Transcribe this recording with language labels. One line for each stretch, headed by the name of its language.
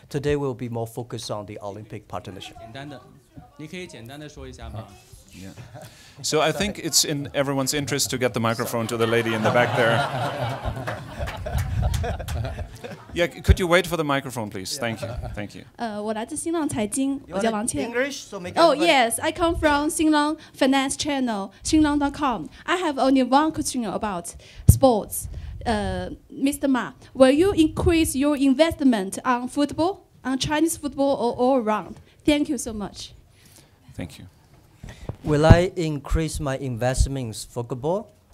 English: Today we'll be more focused on the Olympic partnership. Yeah. So I think it's in everyone's interest to get the microphone to the lady in the back there. Yeah, could you wait for the microphone, please? Yeah. Thank you.
Chinese: 我来自新浪财经，我叫王倩。
English: English, so make everybody... Oh yes, I come from Xinlong Finance Channel, Xinlong.com. I have only one question about sports. Mr. Ma, will you increase your investment on football? Chinese football all around. Thank you so much. Thank you. Will I increase my investments for football?